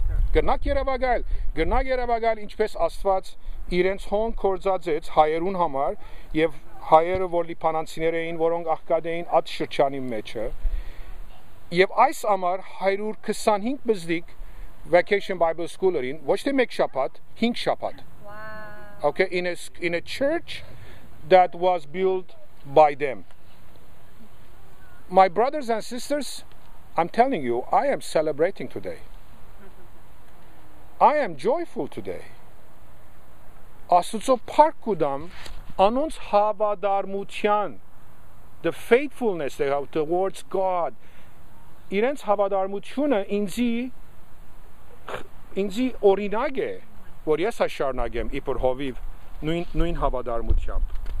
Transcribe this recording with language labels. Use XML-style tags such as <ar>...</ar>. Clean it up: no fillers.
<hy>Գնա Երևան, ինչպես Աստված իրենց հոն կործածեց հայերուն համար, եւ հայերը, որ լիբանանցիներ էին, որոնք աղքատ էին այդ շրջանի մեջը, եւ այս ամառ 125 բզդիկ Vacation Bible School-ին, ոչ թե մեկ շաբաթ, 5 շաբաթ.</hy> <en>Wow. Okay, in a church that was built by them. My brothers and sisters, I'm telling you, I am celebrating today. I am joyful today.</en> <hy>Աստուծո փառք կուտամ անոնց հավատարմության,</hy> <en>the faithfulness they have towards God.</en> <hy>Իրենց հավատարմությունը ինձի օրինակ է, որ ես հաշառնագեմ իբր հովիվ նույն հավատարմությամբ.</hy>